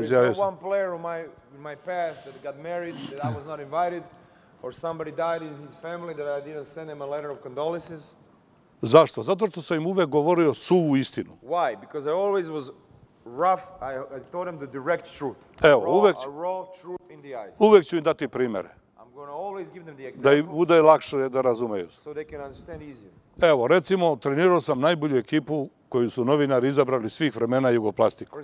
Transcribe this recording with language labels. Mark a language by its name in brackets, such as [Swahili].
[English] There's no one player in my past that got married, that I was not invited, or somebody died in his family that I didn't send him a letter of condolences. [Serbian] Zašto? Zato što sam im uvek govorio suvu istinu. [English] Why? Because I always was rough, I told him the direct truth. [Serbian] Evo, [English] raw truth in the eyes. [Serbian] Uvek ću im dati primere. [English] I'm going to always give them the example. [Serbian] Da im bude lakše da razumeju. [English] So they can understand easier. [Serbian] Evo, recimo, trenirao sam najbolju ekipu koju su novinari izabrali svih vremena Jugoplastiku.